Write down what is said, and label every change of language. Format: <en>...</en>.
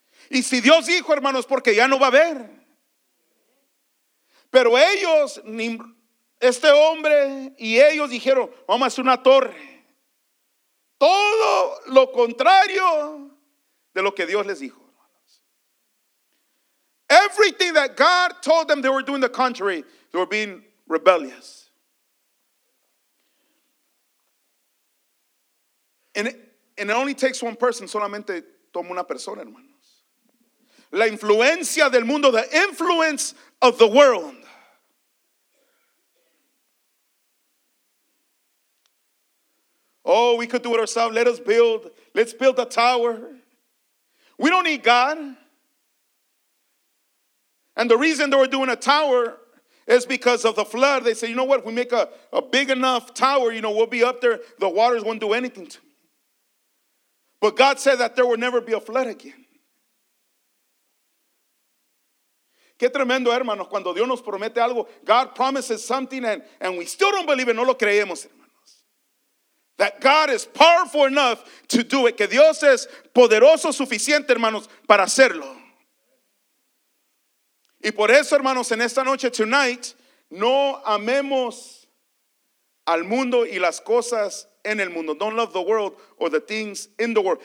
<es>Y si Dios dijo, hermanos, porque ya no va a haber. Pero ellos ni... Este hombre y ellos dijeron, vamos a hacer una torre. Todo lo contrario de lo que Dios les dijo.</es> <en>Everything that God told them they were doing the contrary, they were being rebellious. And it only takes one person, solamente toma una persona, hermanos.</en> <es>La influencia del mundo, the influence of the world.</es> <en>Oh, we could do it ourselves. Let's build a tower. We don't need God. And the reason they were doing a tower is because of the flood. They said, you know what? If we make a big enough tower, you know, we'll be up there. The waters won't do anything to me. But God said that there will never be a flood again.</en> <es>Qué tremendo, hermanos, cuando Dios nos promete algo.</es> <en>God promises something and we still don't believe it. No lo creemos, hermanos. That God is powerful enough to do it.</en> <es>Que Dios es poderoso suficiente, hermanos, para hacerlo. Y por eso, hermanos, en esta noche, tonight, no amemos al mundo y las cosas en el mundo.</es> <en>Don't love the world or the things in the world.</en>